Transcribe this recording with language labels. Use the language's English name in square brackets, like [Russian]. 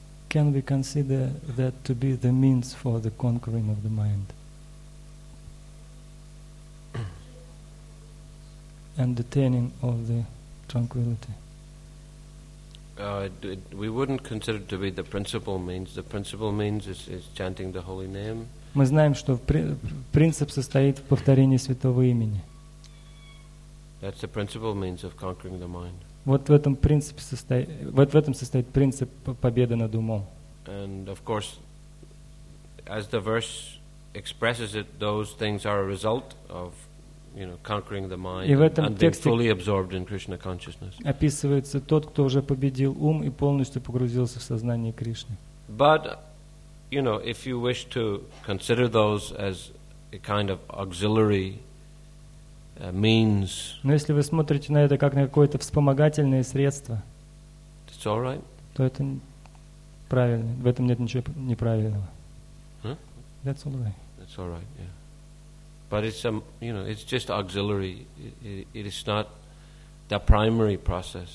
[English] Can we consider that to be the means for the conquering of the mind and attaining of the tranquility? We wouldn't consider it to be the principal means. The principal means is chanting the holy name. [Russian] Мы знаем, что принцип состоит в повторении святого имени. [English] That's the principal means of conquering the mind. [Russian] Вот в этом состоит принцип победы над умом. [English] And of course, as the verse expresses it, those things are a result of, you know, conquering the mind and being fully absorbed in Krishna consciousness. [Russian] Описывается тот, кто уже победил ум и полностью погрузился в сознание Кришны. [English] But, you know, if you wish to consider those as a kind of auxiliary means, [Russian] но если вы смотрите на это как на какое-то вспомогательное средство, [English] it's all right. [Russian] То это правильно. В этом нет ничего неправильного. [English] That's all right. That's all right. Yeah. But it's you know, it's just auxiliary. It is not the primary process.